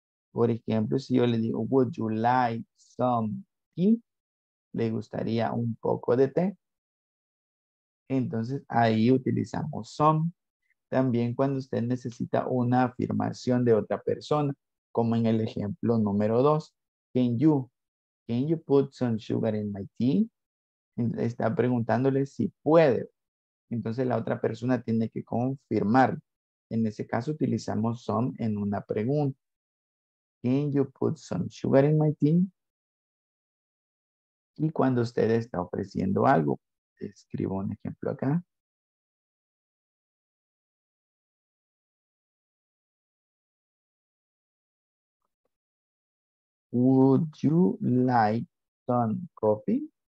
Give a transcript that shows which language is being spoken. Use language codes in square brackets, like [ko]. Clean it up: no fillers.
[es] Por ejemplo, si yo le digo, [en] would you like some tea? [es] ¿Le gustaría un poco de té? Entonces, ahí utilizamos some. También cuando usted necesita una afirmación de otra persona, como en el ejemplo número 2. [en] Can you put some sugar in my tea? [es] Está preguntándole si puede. Entonces, la otra persona tiene que confirmar. En ese caso, utilizamos some en una pregunta. [en] Can you put some sugar in my tea? [es] Y cuando usted está ofreciendo algo, escribo un ejemplo acá. [en] Would you like some coffee?